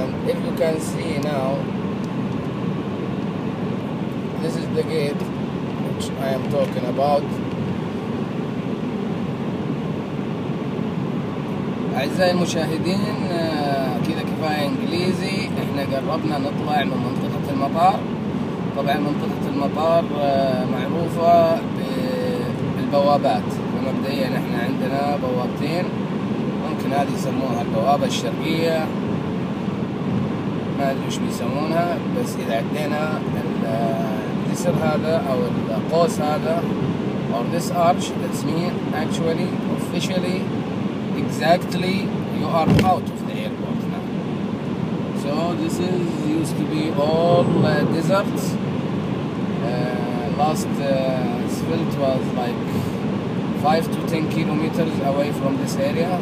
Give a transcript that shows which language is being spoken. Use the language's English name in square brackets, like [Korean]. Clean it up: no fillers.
[English] If you can see now, this is the gate which I am talking about. [Arabic] أعزائي المشاهدين، كذا كفاية إنجليزي، إحنا قربنا نطلع من منطقة المطار. طبعا منطقة المطار معروفة بالبوابات، ومبدئيا إحنا عندنا بوابتين، ممكن هذه يسموها البوابة الشرقية، ما ادري ايش بيسمونها، بس اذا عدينا الجسر هذا او القوس هذا [English] or this arch, that means actually, officially, exactly, you are out of the airport now. So this is used to be all deserts. Last spilt was like 5 to 10 kilometers away from this area.